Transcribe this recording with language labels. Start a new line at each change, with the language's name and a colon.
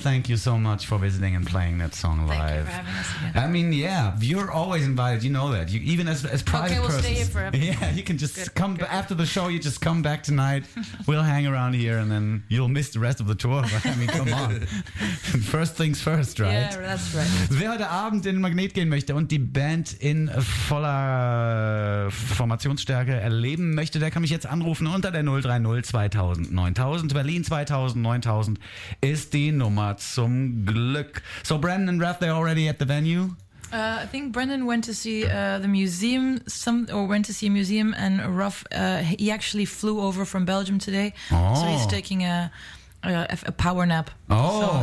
English: Thank you so much for visiting and playing that song live. Thank you for having us again. I mean, yeah, you're always invited. You know that. You even as private okay, Okay, we'll stay here forever. Yeah, you can just after the show, you just come back tonight. We'll hang around here and then you'll miss the rest of the tour. But I mean, come on. First things first, right? Yeah, that's right.
German: Wer heute Abend in Magnet gehen möchte und die Band in voller Formationsstärke erleben möchte, der kann mich jetzt anrufen unter der 030 2000 9000. Berlin 2000 9000 ist die Nummer zum Glück.
English: So Brandon and Raph, they're already at the venue? I think Brandon went to see the museum, went to see a museum, and Raph, he actually flew over from Belgium today. Oh. So he's taking a power nap. Oh.